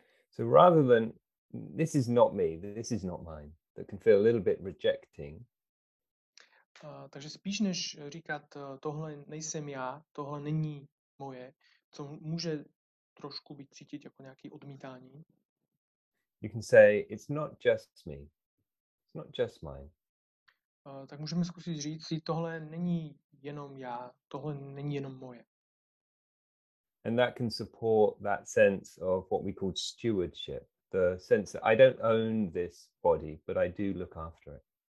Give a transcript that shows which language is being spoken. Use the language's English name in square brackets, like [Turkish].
[English] So rather than, this is not me, this is not mine, that can feel a little bit rejecting, [Czech] Takže spíš než říkat, tohle nejsem já, tohle není moje, co může trošku být cítit jako nějaký odmítání. [English] You can say, it's not just me, it's not just mine. [Czech] Tak můžeme zkusit říct, tohle není jenom já, tohle není jenom moje. [English] And that can support that sense of what we call stewardship, the sense that I don't own this body, but I do look after it.